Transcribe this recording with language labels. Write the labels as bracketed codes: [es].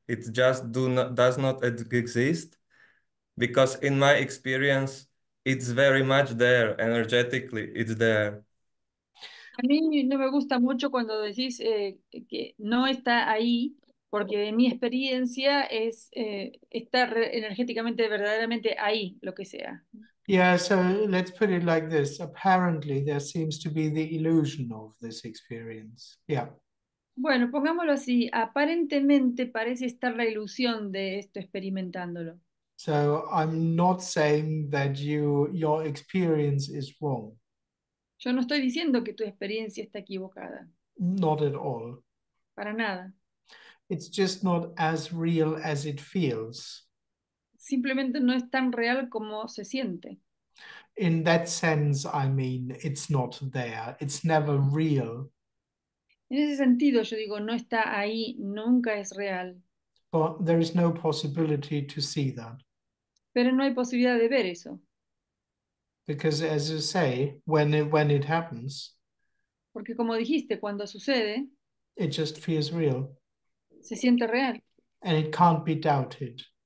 [en] It just does not exist. Because in my experience, it's very much there, energetically, it's there. [es] A mí no me gusta mucho cuando decís que no está ahí, porque en mi experiencia es estar energéticamente, verdaderamente ahí, lo que sea. [en] Yeah, so let's put it like this. Apparently, there seems to be the illusion of this experience. Yeah. [es] Bueno, pongámoslo así. Aparentemente parece estar la ilusión de esto experimentándolo. [en] So I'm not saying that your experience is wrong. [es] Yo no estoy diciendo que tu experiencia está equivocada. [en] Not at all. [es] Para nada. [en] It's just not as real as it feels. [es] Simplemente no es tan real como se siente. [en] In that sense, I mean, it's not there. It's never real. [es] En ese sentido, yo digo, no está ahí, nunca es real. [en] But there is no possibility to see that. [es] Pero no hay posibilidad de ver eso. [en] Because as you say, when it happens, [es] Porque como dijiste, cuando sucede, [en] it just feels real. [es] Se siente real. [en] And it can't be doubted.